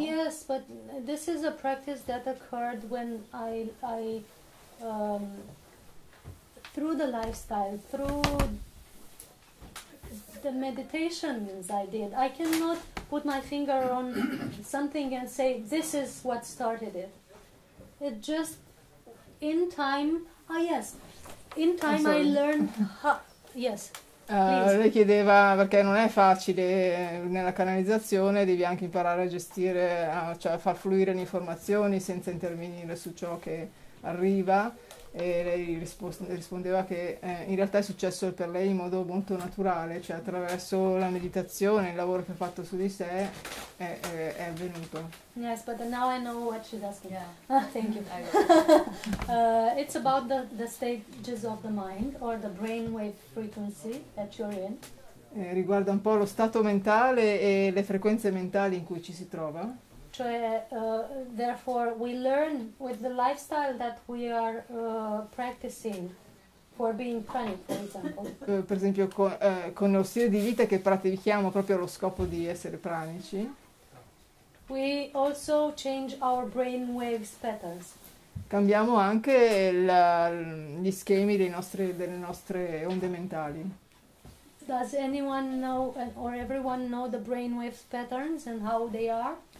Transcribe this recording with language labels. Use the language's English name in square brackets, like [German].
[English] Yes, but this is a practice that occurred when I through the lifestyle, through the meditations I did, I cannot put my finger on something and say, this is what started it. It just, in time, I learned how, yes. [Italian] Lei chiedeva, perché non è facile nella canalizzazione, devi anche imparare a gestire, cioè far fluire le informazioni senza intervenire su ciò che arriva. E lei rispondeva che in realtà è successo per lei in modo molto naturale, cioè attraverso la meditazione, il lavoro che ha fatto su di sé è avvenuto. [English] Yes, but now I know what she's asking. Yeah. Thank you. It's about the stages of the mind or the brainwave frequency that you're in. [Italian] Riguarda un po' lo stato mentale e le frequenze mentali in cui ci si trova. Cioè, [English] therefore, we learn with the lifestyle that we are practicing for being pranic, for example. [Italian] Per esempio, con lo stile di vita che pratichiamo proprio allo scopo di essere pranici. [English] We also change our brain waves patterns. [Italian] Cambiamo anche gli schemi delle nostre onde mentali. [English] Does anyone know or everyone know the brain waves patterns and how they are?